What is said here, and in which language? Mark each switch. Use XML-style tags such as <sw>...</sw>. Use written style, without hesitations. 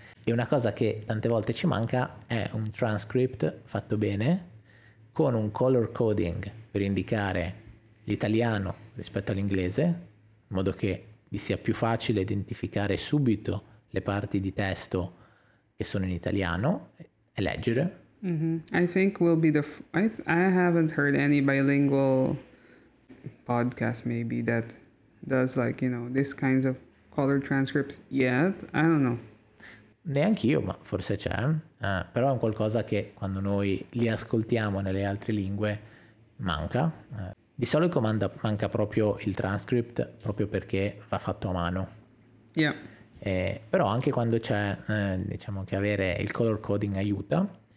<it>E una cosa che tante volte ci manca è un transcript fatto bene con un color coding per indicare l'italiano rispetto all'inglese, in modo che vi sia più facile identificare subito le parti di testo che sono in italiano e leggere.</it> <en>Mm-hmm. I think we'll be the I haven't heard any bilingual podcast maybe that does like, you know, this kinds of color transcripts yet. I don't know.</en> <it>Neanche io, ma forse c'è. Però è un qualcosa che quando noi li ascoltiamo nelle altre lingue manca. Di solito manca proprio il transcript proprio perché va fatto a mano.</it> <en>Yeah.</en> <it>Però anche quando c'è, diciamo che avere il color coding aiuta.</it>